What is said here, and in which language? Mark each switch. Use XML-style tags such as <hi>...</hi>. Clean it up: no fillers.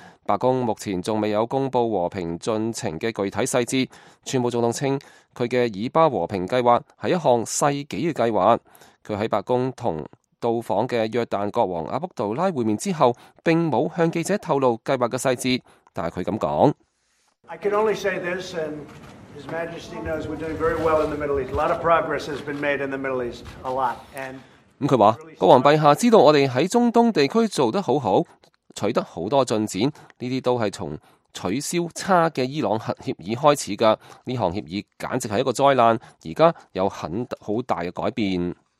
<zh>白宫目前还未有公布和平进程的具体细节。川普总统称他的以巴和平计划是一项世纪的计划。他在白宫与到访的约旦国王阿卜杜拉会面之后，并没有向记者透露计划的细节，但他这样说。</zh> <en>His Majesty knows we're doing very well in the Middle East. A lot of progress has been made in the Middle East. A lot. And</en> <zh>他说，国王陛下知道我们在中东地区做得很好，取得很多进展，这些都是从取消差的伊朗核协议开始的。这项协议简直是一个灾难，现在有很大的改变。</zh>